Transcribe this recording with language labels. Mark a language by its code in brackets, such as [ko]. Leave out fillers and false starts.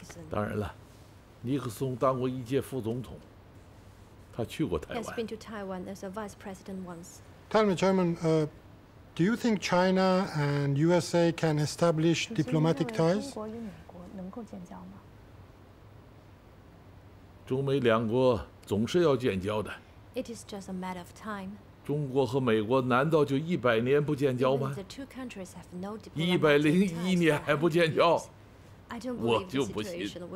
[zh] 当然了，尼克松当过一届副总统，他去过台湾。 [en] Has been to Taiwan as a vice president once. Tell me, Chairman, do you think China and USA can establish diplomatic ties? [zh] 中国与美国能够建交吗？中美两国总是要建交的。 [en] It is just a matter of time. [zh] 中国和美国难道就100年不建交吗？101年还不建交，我就不信。